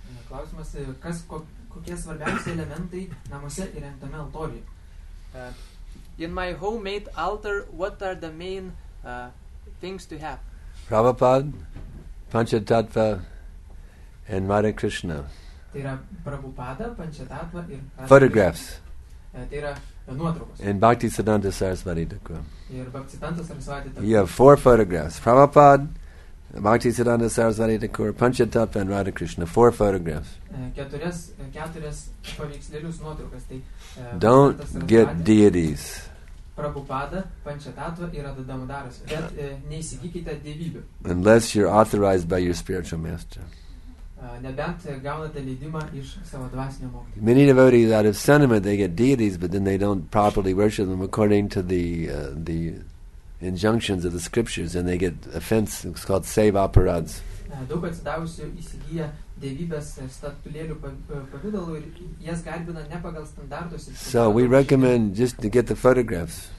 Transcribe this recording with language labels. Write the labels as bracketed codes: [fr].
[lt] Klausimas, kas kokie svarbiausi elementai namuose įrengtame altoriuje? [en] In my homemade altar, what are the main things to have? Prabhupada, Panchatattva, and Radha Krishna. [lt] Tai yra Prabhupada, Panchatattva ir [en] photographs. [lt] Tai yra nuotraukos. [en] And Bhakti Siddhanta Sarasvati Thakur. [lt] Ir Bhakti Siddhanta Sarasvati [en] Thakur. You have four photographs. Prabhupada, Bhakti Siddhanta Sarasvati Thakur, Panchatattva and Radha Krishna, four photographs. [lt] Keturias paveikslėlius nuotraukas. Tai, [en] don't get deities. [lt] Prabhupada, Panchatattva ir Radha Damodaras. Bet neįsigykite dievybių. [en] Unless you're authorized by your spiritual master. [lt] Nebent gaunate leidimą iš savo dvasinio mokytojo. [en] Many devotees out of sentiment they get deities, but then they don't properly worship them according to the injunctions of the scriptures, and they get offense. It's called save aparads. [lt] Daug atsidavusių įsigyja dievybės statulėlių pavidalų ir jas garbina ne pagal standartus. [en] So we recommend just to get the photographs.